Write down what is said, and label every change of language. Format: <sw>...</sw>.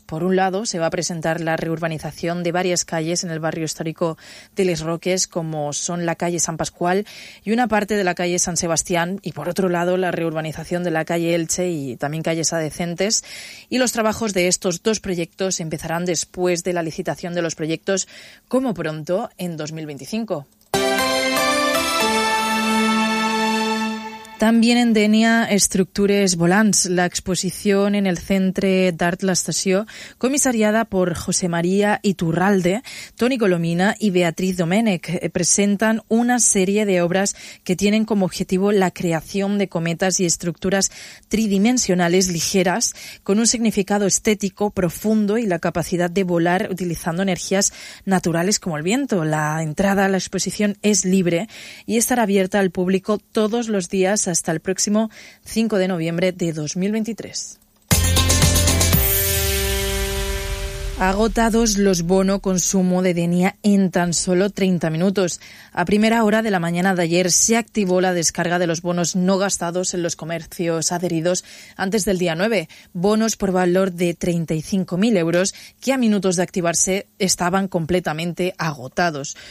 <es>Por un lado, se va a presentar la reurbanización de varias calles en el barrio histórico de Les Roques, como son la calle San Pascual y una parte de la calle San Sebastián. Y por otro lado, la reurbanización de la calle Elche y también calles adyacentes. Y los trabajos de estos dos proyectos empezarán después de la licitación de los proyectos, como pronto, en 2025.</es> <ca>També en Dénia, Estructures Volants, l'exposició en el Centre d'Art l'Estació, comissariada per José María Iturralde, Toni Colomina i Beatriz Domènech, presenten una sèrie d'obres que tenen com a objectiu la creació de cometes i estructures tridimensionals ligeres, amb un significat estètic profund i la capacitat de volar utilitzant energies naturals com el vent. La entrada a l'exposició és lliure i estarà oberta al públic tots els dies</ca> <es>hasta el próximo 5 de noviembre de 2023. Agotados los bono consumo de Denia en tan solo 30 minutos. A primera hora de la mañana de ayer se activó la descarga de los bonos no gastados en los comercios adheridos antes del día 9. Bonos por valor de 35.000 euros que a minutos de activarse estaban completamente agotados.</es>